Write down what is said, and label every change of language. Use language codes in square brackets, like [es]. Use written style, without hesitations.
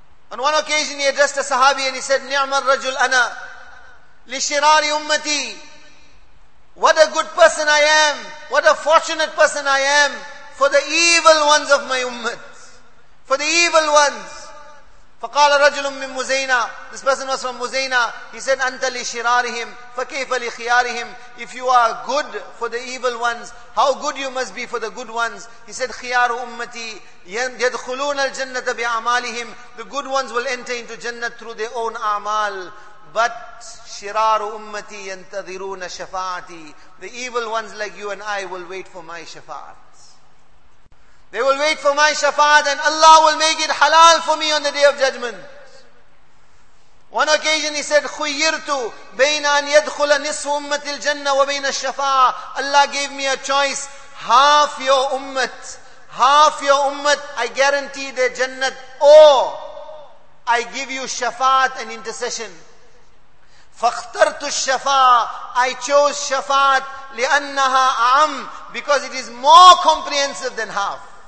[en] On one occasion he addressed a sahabi and he said, [ar] نِعْمَ الرَّجُلْ أَنَا لِشِرَارِ أُمَّتِي. [en] What a good person I am. What a fortunate person I am for the evil ones of my ummah. For the evil ones. [ar] فَقَالَ رَجُلٌ مِّن مُزَيْنَا. [en] This person was from Muzayna. He said, [ar] أَنْتَ لِشِرَارِهِمْ فَكَيْفَ لِخِيَارِهِمْ. [en] If you are good for the evil ones, how good you must be for the good ones. He said, [ar] خِيَارُ أُمَّتِي يَدْخُلُونَ الْجَنَّةَ بِعَمَالِهِمْ. [en] The good ones will enter into Jannah through their own a'mal. [ar] But شِرَارُ أُمَّتِي يَنْتَذِرُونَ شَفَاعَتِي. [en] The evil ones like you and I will wait for my shafa'at. They will wait for my shafaat and Allah will make it halal for me on the day of judgment. One occasion he said, [ar] خُيِّرْتُ بَيْنَ أَنْ يَدْخُلَ نِصْفُ أُمَّةِ الْجَنَّةِ وَبَيْنَ الشَّفَاعَةِ. [en] Allah gave me a choice. Half your ummah. Half your ummah, I guarantee their jannat. Or I give you shafaat and intercession. [ar] فَاخْتَرْتُ الشَّفَاعَةِ. [en] I chose shafaat. [ar] لِأَنَّهَا أَعَمْ. [en] Because it is more comprehensive than half.